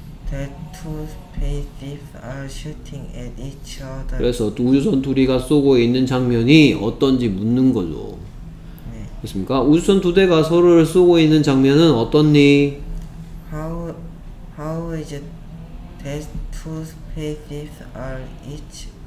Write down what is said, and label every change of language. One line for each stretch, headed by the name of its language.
English: That two spaceships are shooting at each other.
Korean: 그래서 우주선 둘이가 쏘고 있는 장면이 어떤지 묻는 거죠. 됐습니까? 우주선 두 대가 서로를 쏘고 있는 장면은 어떻니?
English: How is it that two spaceships are each